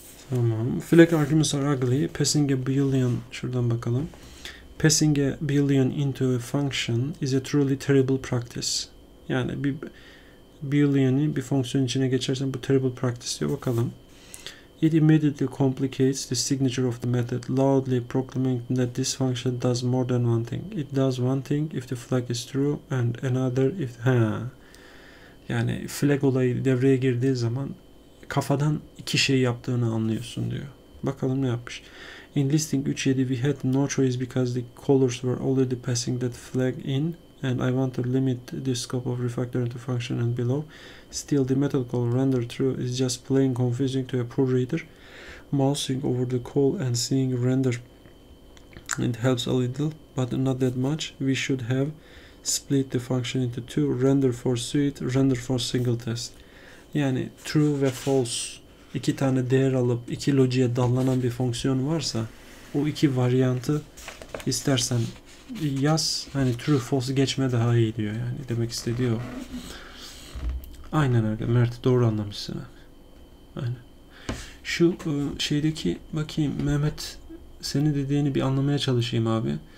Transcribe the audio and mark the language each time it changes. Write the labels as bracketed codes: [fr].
[en] Tamam. Flag arguments are ugly. Passing a boolean, [tr] şuradan bakalım. [en] Passing a boolean into a function is a truly terrible practice. [tr] Yani bir boolean'i bir fonksiyon içine geçersen bu [en] terrible practice [tr] diyor. Bakalım. [en] It immediately complicates the signature of the method, loudly proclaiming that this function does more than one thing. It does one thing if the flag is true and another if... [tr] Yani flag olayı devreye girdiği zaman kafadan iki şey yaptığını anlıyorsun diyor. Bakalım ne yapmış. [en] In listing 3.7 we had no choice because the callers were already passing that flag in and I want to limit the scope of refactoring to function and below. Still the method call render true is just plain confusing to a poor reader. Mousing over the call and seeing render it helps a little but not that much. We should have split the function into two render for suite, render for single test. [tr] Yani true ve false iki tane değer alıp iki logiğe dallanan bir fonksiyon varsa, o iki varyantı istersen yaz, hani true false geçme daha iyi diyor yani, demek istediği o. Aynen öyle Mert, doğru anlamışsın. Aynen. Şu şeydeki bakayım Mehmet, senin dediğini bir anlamaya çalışayım abi.